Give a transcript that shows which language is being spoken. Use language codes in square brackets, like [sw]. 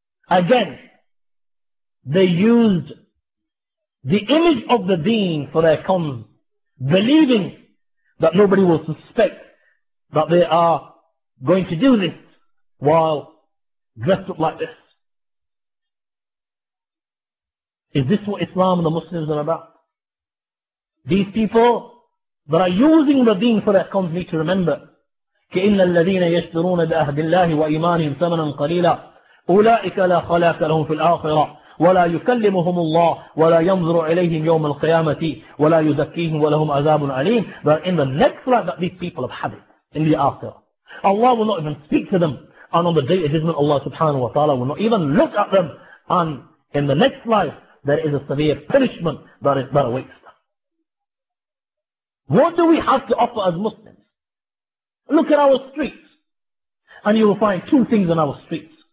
[en] Again, they used the image of the deen for their cons, believing that nobody will suspect that they are going to do this while dressed up like this. Is this what Islam and the Muslims are about? These people that are using the deen for their cons need to remember, [ar] كَإِنَّ الَّذِينَ يَشْتَرُونَ بِأَهْدِ اللَّهِ وَإِمَانِهِمْ ثَمَنًا قَلِيلًا أُولَٰئِكَ لَا خَلَاقَ لَهُمْ فِي الْآخِرَةِ وَلَا يُكَلِّمُهُمُ اللَّهُ وَلَا يَنْظُرُ عَلَيْهِمْ يَوْمَ الْقِيَامَةِ وَلَا يُزَكِّيهِمْ وَلَهُمْ عَذَابٌ عَلِيمٌ. [en] But in the next life that these people have had it, in the Akhirah, Allah will not even speak to them, and on the Day of Judgment Allah subhanahu wa ta'ala will not even look at them, and in the next life there is a severe punishment that awaits them. What do we have to offer as Muslims? Look at our streets, and you will find two things on our streets.